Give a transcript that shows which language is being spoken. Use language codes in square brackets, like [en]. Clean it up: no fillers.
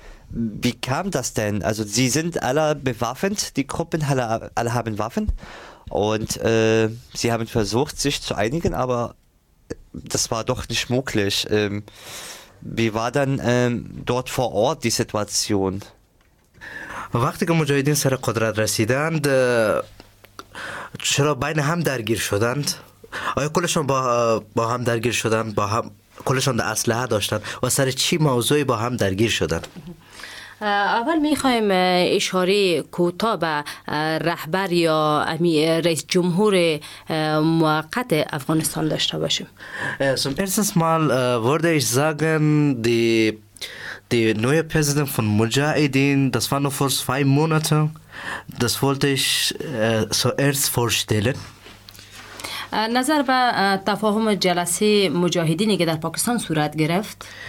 [de] Wie kam das denn? Also sie sind alle bewaffnet, die Gruppen alle haben Waffen und sie haben versucht, sich zu einigen, aber das war doch nicht möglich. Wie war dann dort vor Ort die Situation? [fa] وقتی که مجاهدین سر قدرت رسیدند چرا بین هم درگیر شدند؟ آیا کلشان با هم درگیر شدند؟ با هم کلشان در اسلحه داشتند و سر چی موضوعی با هم درگیر شدند؟ اول میخوایم اشاره کوتاه به رهبر یا رئیس جمهور موقت افغانستان داشته باشیم. [de] Zum ersten Mal würde ich sagen, Der neue Präsident von Mujahideen, das war nur vor 2 Monaten. Das wollte ich zuerst vorstellen. [fa] نظر به تفاهم جلسه مجاهدینی که در پاکستان صورت گرفت.